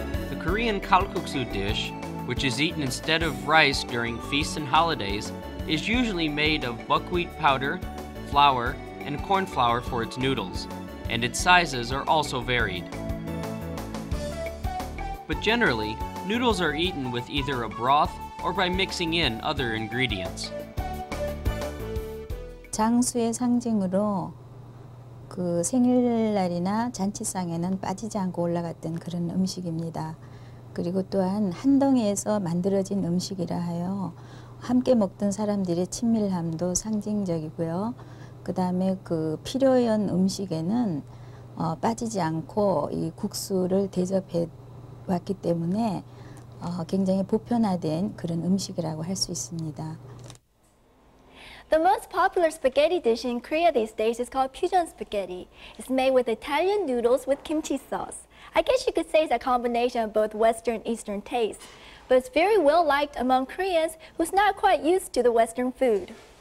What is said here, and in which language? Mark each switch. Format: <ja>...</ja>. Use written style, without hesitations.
<en>The Korean kalguksu dish, which is eaten instead of rice during feasts and holidays, is usually made of buckwheat powder, flour, and corn flour for its noodles, and its sizes are also varied. But generally, noodles are eaten with either a broth or by mixing in other ingredients.</en> <ko>장수의 상징으로 그 생일날이나 잔치상에는 빠지지 않고 올라갔던 그런 음식입니다. 그리고 또한 한 덩이에서 만들어진 음식이라 하여 함께 먹던 사람들의 친밀함도 상징적이고요. 그다음에 그 필요한 음식에는 빠지지 않고 이 국수를 대접해 왔기 때문에 굉장히 보편화된 그런 음식이라고 할 수 있습니다.</ko> <en>The most popular spaghetti dish in Korea these days is called Pujeon spaghetti. It's made with Italian noodles with kimchi sauce. I guess you could say it's a combination of both Western and Eastern tastes, but it's very well liked among Koreans who's not quite used to the Western food.</en>